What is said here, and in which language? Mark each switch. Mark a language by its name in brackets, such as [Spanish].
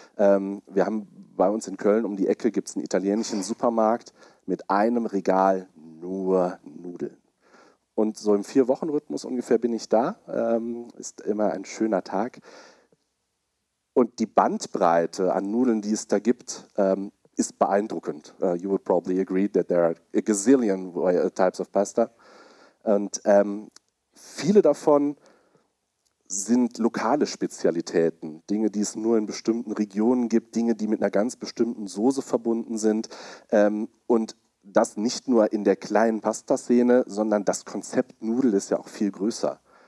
[German] Wir haben bei uns in Köln um die Ecke gibt es einen italienischen Supermarkt mit einem Regal nur Nudeln. Und so im 4-Wochen-Rhythmus ungefähr bin ich da. Ist immer ein schöner Tag. Und die Bandbreite an Nudeln, die es da gibt, ist beeindruckend. [English] You would probably agree that there are a gazillion types of pasta. [German] Und viele davon sind lokale Spezialitäten. Dinge, die es nur in bestimmten Regionen gibt. Dinge, die mit einer ganz bestimmten Soße verbunden sind. Und das nicht nur in der kleinen Pasta-Szene, sondern das Konzept Nudel ist ja auch viel größer.